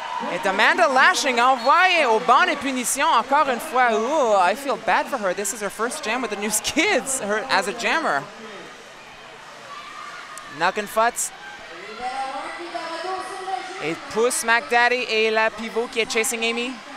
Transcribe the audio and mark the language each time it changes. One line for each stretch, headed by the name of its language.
French: Et Amanda Lashing envoyée au banc de punition encore une fois.
English: Ooh, I feel bad for her. This is her first jam with the News Kids her, as a jammer. Knock and Futz.
French: Et pousse Smack Daddy et la pivot qui est Chasing Amy.